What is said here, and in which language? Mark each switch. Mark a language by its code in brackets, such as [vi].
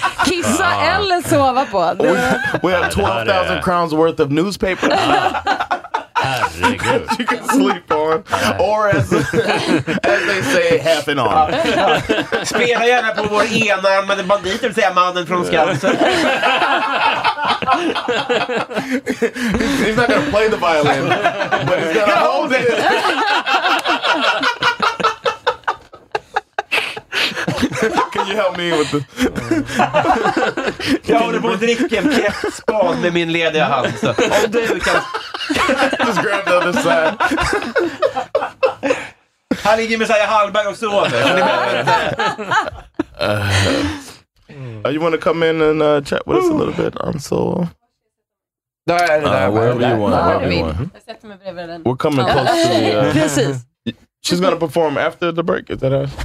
[sv] Kissa eller sova på. [en] We have 12,000 crowns worth of newspaper. [sv] Herregud. [en] You can sleep on. Or as they say, half and on. [sv] Spela gärna på vår enarmade bandit, vill säga mannen från Skansen. [en] He's not gonna play the violin, but he's gonna hold it. Can you help me with the... [sv] Jag håller på att dricka en kräftspad med min lediga hand. Så. Om du kan... [en] Just grab the other side. [sv] Här ligger Messiah Hallberg och sover. [en] You want to come in and chat with us a little bit on solo? [sv] Där är det där. [en] Wherever you want. [sv] Jag sätter mig bredvid [en] den. We're coming close to the... [sv] Precis. [en] She's gonna perform after the break, is that her?